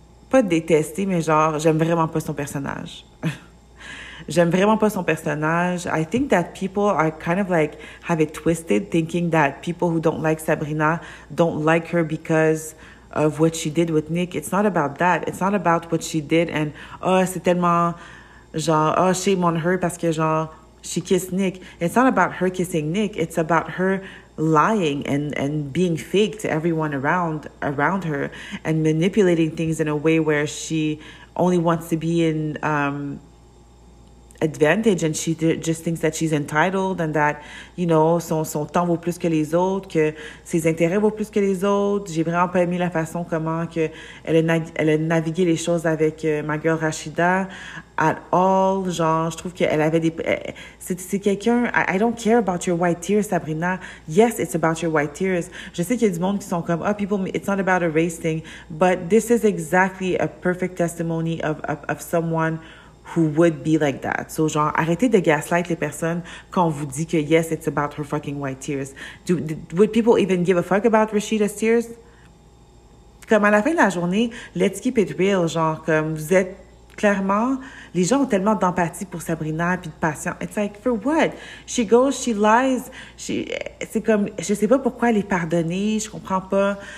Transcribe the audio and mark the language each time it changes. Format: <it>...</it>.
<fr>Pas détesté, mais genre, j'aime vraiment pas son personnage. J'aime vraiment pas son personnage.</fr> <en>I think that people are kind of like have it twisted, thinking that people who don't like Sabrina don't like her because of what she did with Nick. It's not about that. It's not about what she did. And, oh,</en> <fr>c'est tellement, genre,</fr> <en>oh, shame on her</en> <fr>parce que, genre,</fr> <en>she kissed Nick. It's not about her kissing Nick. It's about her lying and being fake to everyone around her and manipulating things in a way where she only wants to be in... advantage, and she just thinks that she's entitled and that, you know,</en> <fr>son temps vaut plus que les autres, que ses intérêts vaut plus que les autres. J'ai vraiment pas aimé la façon comment que elle a navigué les choses avec ma girl Rachida</fr> <en>at all.</en> <fr>Genre, je trouve qu'elle avait des... C'est quelqu'un...</fr> <en>I don't care about your white tears, Sabrina. Yes, it's about your white tears.</en> <fr>Je sais qu'il y a du monde qui sont comme, oh,</fr> <en>people, it's not about a race thing, but this is exactly a perfect testimony of someone who would be like that.</en> <fr>So, genre, arrêtez de gaslight les personnes quand on vous dit que,</fr> <en>yes, it's about her fucking white tears. Would people even give a fuck about Rashida's tears?</en> <fr>Comme à la fin de la journée,</fr> <en>let's keep it real,</en> <fr>genre, comme vous êtes clairement... Les gens ont tellement d'empathie pour Sabrina puis de patience.</fr> <en>It's like, for what? She goes, she lies.</en> <fr>C'est comme, je sais pas pourquoi elle est pardonnée, je comprends pas.</fr>